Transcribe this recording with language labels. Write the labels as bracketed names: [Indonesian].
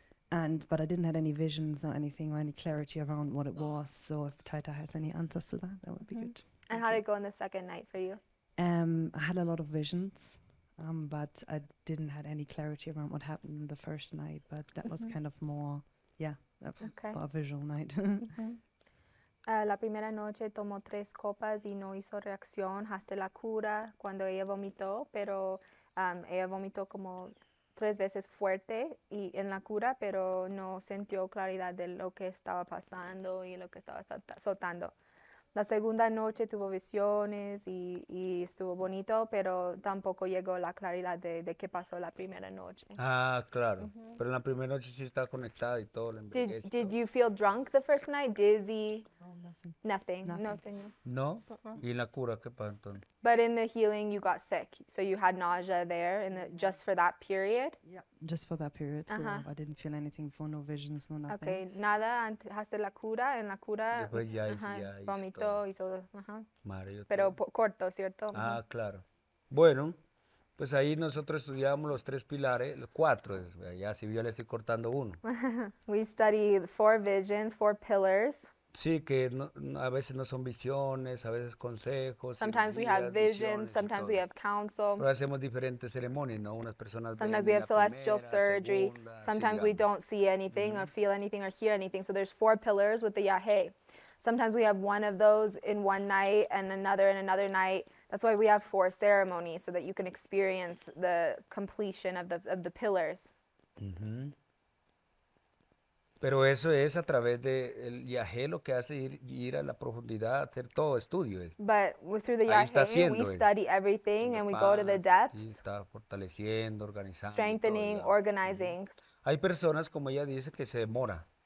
[English] and but I didn't have any visions or anything or any clarity around what it was. So if Taita has any answers to that, that would be mm-hmm. good. And thank how you. Did it go in the second night for you? I had a lot of visions, but I didn't have any clarity around what happened in the first night. But that mm-hmm. was kind of more, yeah, okay. a visual night. [Spanish] La primera noche tomó 3 copas y no hizo reacción hasta la cura cuando ella vomitó, pero ella vomitó como 3 veces fuerte y en la cura, pero no sintió claridad de lo que estaba pasando y lo que estaba soltando. La segunda noche tuvo visiones y estuvo bonito, pero tampoco llegó la claridad de qué pasó la primera noche. Ah, claro. Mm-hmm. Pero en la primera noche sí está conectada y todo. [English] Did you feel drunk the first night? Dizzy? Nothing. [Spanish] No, señor. No? Uh-uh. ¿Y la cura qué pasó entonces? [English] But in the healing, you got sick. So you had nausea there in the, just for that period? Yeah, just for that period. So uh-huh. I didn't feel anything for no visions, no nothing. [Spanish] Okay, nada antes de la cura, en la cura. Después ya hice, uh-huh. ya hice. Vomito, hizo, ajá. Mario. Pero corto, ¿cierto? Ah, uh-huh. claro. Bueno, pues ahí nosotros estudiamos los tres pilares, los cuatro. Ya si yo le estoy cortando uno. [English] We studied four visions, four pillars. [Spanish] Sí, que no, a veces no son visiones, a veces consejos. [English] Sometimes energías, we have visions, sometimes we have counsel. [Spanish] Pero hacemos diferentes ceremonias, ¿no? Unas personas [English] sometimes [Spanish] ven [English] we have celestial [Spanish] primera, [English] surgery. [Spanish] Segunda, [English] sometimes sí, we don't see anything mm-hmm. or feel anything or hear anything. So there's four pillars with the yahe. Sometimes we have one of those in one night and another in another night. That's why we have four ceremonies, so that you can experience the completion of the pillars. Mm-hmm. [Spanish] Pero eso es a través de el yahe lo que hace ir a la profundidad, hacer todo estudio. [English] But through the yahe, we study everything and we go to the depths. [Spanish] Está fortaleciendo, organizando. [English] Strengthening, organizing. [Spanish] Hay personas, como ella dice, que se demora.